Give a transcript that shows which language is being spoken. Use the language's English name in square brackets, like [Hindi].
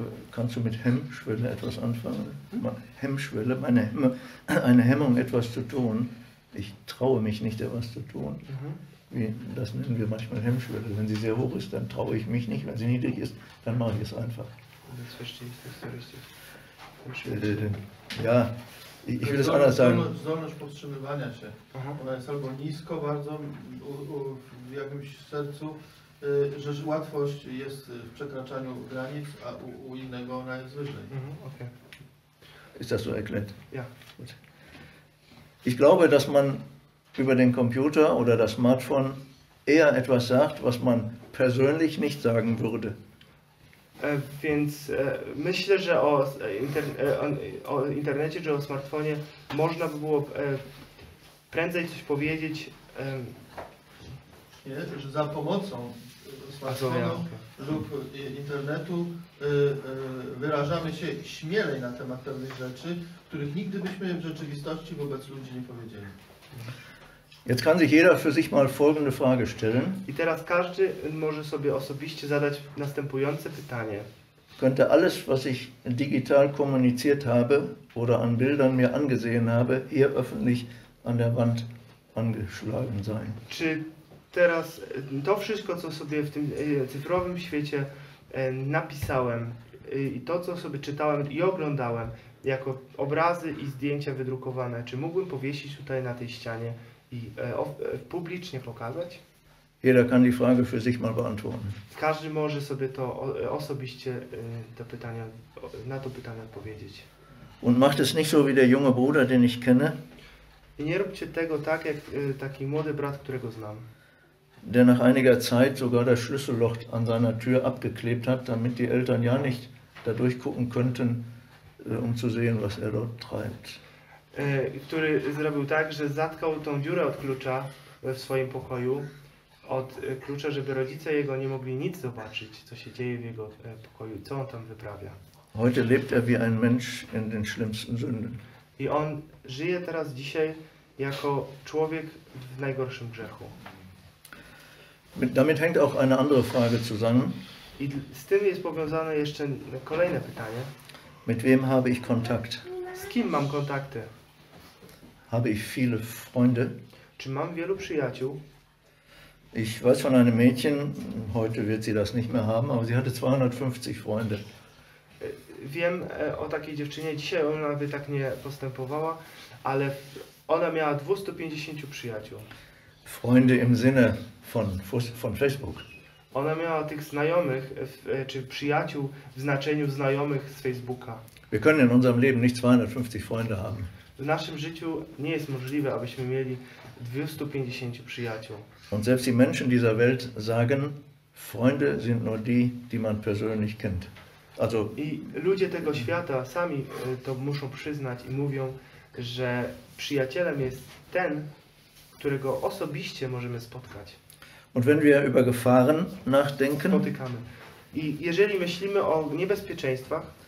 [German] Kannst du mit Hemmschwelle etwas anfangen? Hemmschwelle, eine Hemmung, etwas zu tun. Ich traue mich nicht, etwas zu tun. Das nennen wir manchmal Hemmschwelle. Wenn sie sehr hoch ist, dann traue ich mich nicht. Wenn sie niedrig ist, dann mache ich es einfach. Das verstehe ich nicht so richtig. Ja, ich will es anders sagen. [Polish] Zdolność powstrzymywania się. Ona jest albo nisko bardzo, w jakimś sercu, że łatwość jest w przekraczaniu granic, a u innego ona jest wyżej. [German] Ist das so erklärt? Ja. Ich glaube, dass man über den Computer oder das Smartphone eher etwas sagt, was man persönlich nicht sagen würde. [Polish] Więc myślę, że o internecie czy o smartfonie można by było prędzej coś powiedzieć. Nie, że za pomocą smartfonu lub internetu wyrażamy się śmielej na temat pewnych rzeczy, których nigdy byśmy w rzeczywistości wobec ludzi nie powiedzieli. [German] Jetzt kann sich jeder für sich mal folgende Frage stellen. [Polish] I teraz każdy może sobie osobiście zadać następujące pytanie. [German] Könnte alles, was ich digital kommuniziert habe oder an Bildern mir angesehen habe, hier öffentlich an der Wand angeschlagen sein? [Polish] Czy teraz to wszystko, co sobie w tym cyfrowym świecie napisałem i to, co sobie czytałem i oglądałem jako obrazy i zdjęcia wydrukowane, czy mógłbym powiesić tutaj na tej ścianie i publicznie pokazać? [German] Jeder kann die Frage für sich mal beantworten. [Polish] Każdy może sobie to osobiście to pytanie, na to pytanie odpowiedzieć. [German] Und macht es nicht so wie der junge Bruder, den ich kenne. [Polish] I nie róbcie tego tak jak taki młody brat, którego znam. [German] Der nach einiger Zeit sogar das Schlüsselloch an seiner Tür abgeklebt hat, damit die Eltern ja nicht da durchgucken könnten, um zu sehen, was dort treibt. [Polish] Który zrobił tak, że zatkał tą dziurę od klucza w swoim pokoju, od klucza, żeby rodzice jego nie mogli nic zobaczyć, co się dzieje w jego pokoju, co on tam wyprawia. [German] Heute lebt er wie ein Mensch in den schlimmsten Sünden. [Polish] I on żyje teraz dzisiaj jako człowiek w najgorszym grzechu. [German] Damit hängt auch eine andere Frage zusammen. [Polish] I z tym jest powiązane jeszcze kolejne pytanie. [German] Mit wem habe ich Kontakt? [Polish] Z kim mam kontakty? [German] Habe ich viele Freunde? [Polish] Czy mam wielu przyjaciół? [German] Ich weiß von einem Mädchen, heute wird sie das nicht mehr haben, aber sie hatte 250 Freunde. [Polish] Wiem o takiej dziewczynie, dzisiaj ona by tak nie postępowała, ale ona miała 250 przyjaciół. [German] Freunde im Sinne von Facebook. [Polish] Ona miała tych znajomych, czy przyjaciół w znaczeniu znajomych z Facebooka. [German] Wir können in unserem Leben nicht 250 Freunde haben. [Polish] W naszym życiu nie jest możliwe, abyśmy mieli 250 przyjaciół. [German] Und selbst die Menschen dieser Welt sagen, Freunde sind nur die, die man persönlich kennt. [Polish] Also i ludzie tego świata sami to muszą przyznać i mówią, że przyjacielem jest ten, którego osobiście możemy spotkać. [German] Und wenn wir über Gefahren nachdenken, [Polish] spotykamy. I jeżeli myślimy o niebezpieczeństwach,